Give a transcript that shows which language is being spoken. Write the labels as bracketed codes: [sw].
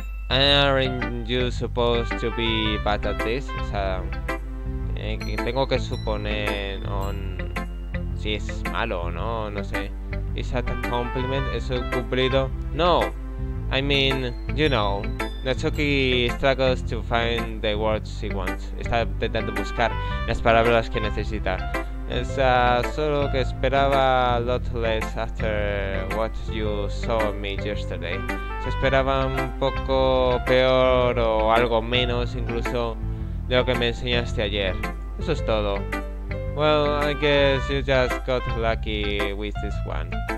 [en] Aren't you supposed to be bad at this? [es] O sea, tengo que suponer si es malo o no, no sé. [en] Is that a compliment? [es] ¿Es un cumplido? [en] No, I mean, you know. Natsuki struggles to find the words she wants. [es] Está intentando buscar las palabras que necesita. O sea, solo que esperaba [en] a lot less after what you saw me yesterday. [es] Se esperaba un poco peor o algo menos incluso de lo que me enseñaste ayer. Eso es todo. [en] Well, I guess you just got lucky with this one.